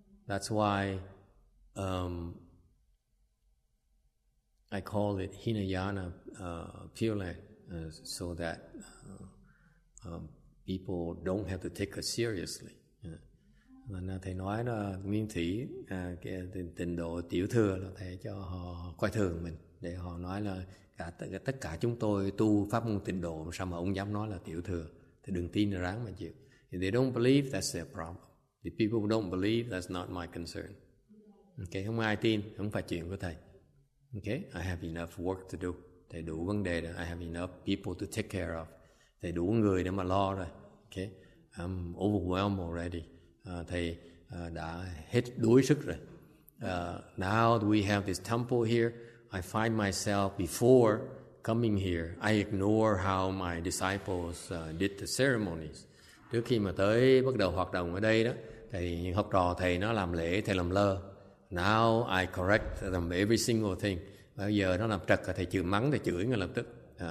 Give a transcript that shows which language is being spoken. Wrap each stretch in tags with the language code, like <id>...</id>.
<en>That's why I call it Hinayana Pure Land, so that people don't have to take us seriously.</en> <vi>Thầy nói là nguyên thủy, cái tình độ tiểu thừa là thầy cho họ coi thường mình, để họ nói là cả tất cả chúng tôi tu pháp môn tịnh độ, sao mà ông dám nói là tiểu thừa? Thì đừng tin ráng mà chịu.</vi> <en>If they don't believe, that's their problem. If people don't believe, that's not my concern.</en> <vi>Okay, không ai tin, không phải chuyện của thầy.</vi> <en>Okay, I have enough work to do.</en> <vi>Thầy đủ vấn đề rồi.</vi> <en>I have enough people to take care of.</en> <vi>Thầy đủ người để mà lo rồi.</vi> <en>Okay, I'm overwhelmed already.</en> <vi>Thầy đã hết đuối sức rồi.</vi> <en>Now we have this temple here. I find myself before coming here, I ignore how my disciples did the ceremonies.</en> <vi>Trước khi mà tới bắt đầu hoạt động ở đây đó, thì những học trò thầy nó làm lễ, thầy làm lơ.</vi> <en>Now I correct them every single thing.</en> <vi>Bây giờ nó làm trật, thầy chửi mắng, thầy chửi ngay lập tức.</vi>